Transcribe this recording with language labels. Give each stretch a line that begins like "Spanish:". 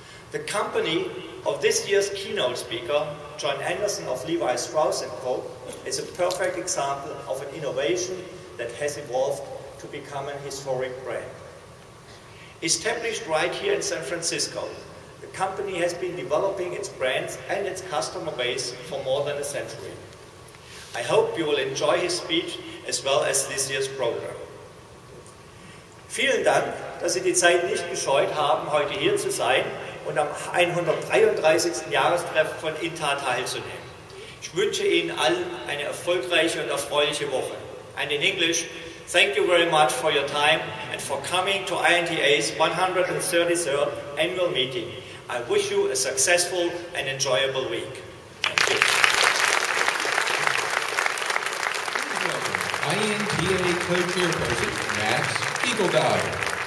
English: The company of this year's keynote speaker, John Anderson of Levi Strauss & Co., is a perfect example of an innovation that has evolved to become an historic brand. Established right here in San Francisco, the company has been developing its brands and its customer base for more than a century. I hope you will enjoy his speech as well as this year's program.
German: Vielen Dank, dass Sie die Zeit nicht gescheut haben, heute hier zu sein und am 133. Jahrestreffen von INTA teilzunehmen. Ich wünsche Ihnen allen eine erfolgreiche und erfreuliche Woche.
English: And in English, thank you very much for your time and for coming to INTA's 133rd annual meeting. I wish you a successful and enjoyable week. INTA co-chairperson Max Eagledive.